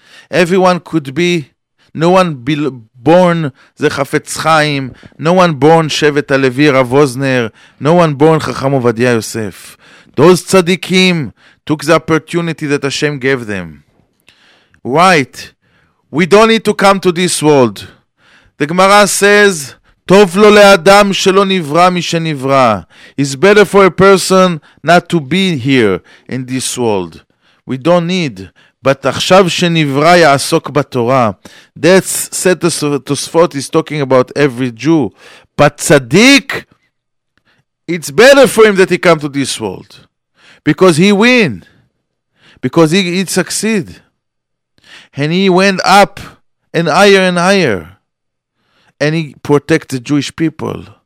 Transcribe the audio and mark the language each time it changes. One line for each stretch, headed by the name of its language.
English: Everyone could be, no one born the Chafetz Chaim, no one born Shevet HaLevi Rav Ozner, no one born Chacham Ovadia Yosef. Those tzaddikim took the opportunity that Hashem gave them. right. We don't need to come to this world.
Hebrew: The Gemara says, טוב לו לאדם שלא נברא משנברא.
English: It's better for a person not to be here in this world. We don't need. But
Hebrew: עכשיו שנברא יעסוק בתורה.
English: That's said the Tosfot is talking about every Jew. But tzaddik, it's better for him that he come to this world. Because he win. Because he succeed. And he went up and higher and higher. And he protect the Jewish people.